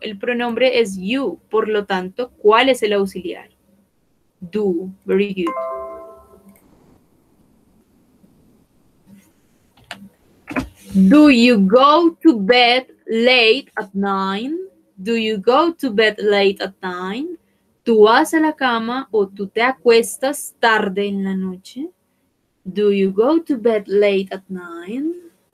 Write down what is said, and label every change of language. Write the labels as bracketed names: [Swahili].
[Spanish] El pronombre es you. Por lo tanto, ¿cuál es el auxiliar? Do. [English] Very good. Do you go to bed late at nine? Do you go to bed late at nine? [Spanish] ¿Tú vas a la cama o tú te acuestas tarde en la noche? [English] Do you go to bed late at nine?